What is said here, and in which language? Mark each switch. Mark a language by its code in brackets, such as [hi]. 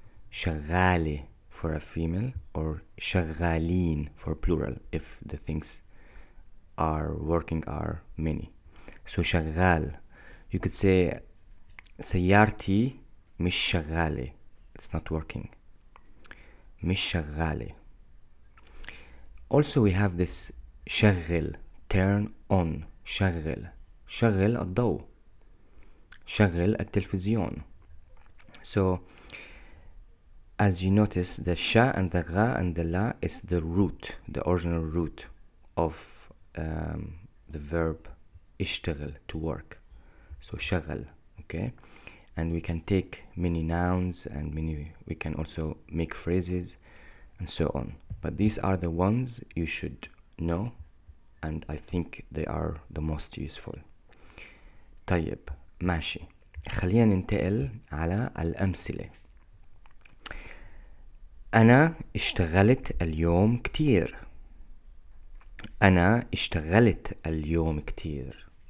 [en] شغالة for a female or شغالين for plural if the things are working are many. So شغال, you could say [ar] سيارتي مش شغالة, [en] it's not working. [ar] مش شغالة. [en] Also we have this شغل, turn [ar] on شغل شغل الضوء شغل التلفزيون. [en] So as you notice, the sh and the gha and the la is the root, the original root of the verb اشتغل, to work. So شغل, okay? And we can take many nouns and many, we can also make phrases and so on. But these are the ones you should know, and I think they are the most useful. [ar] طيب, ماشي. خلينا ننتقل على الأمثلة. أنا اشتغلت اليوم كتير. أنا اشتغلت اليوم كتير.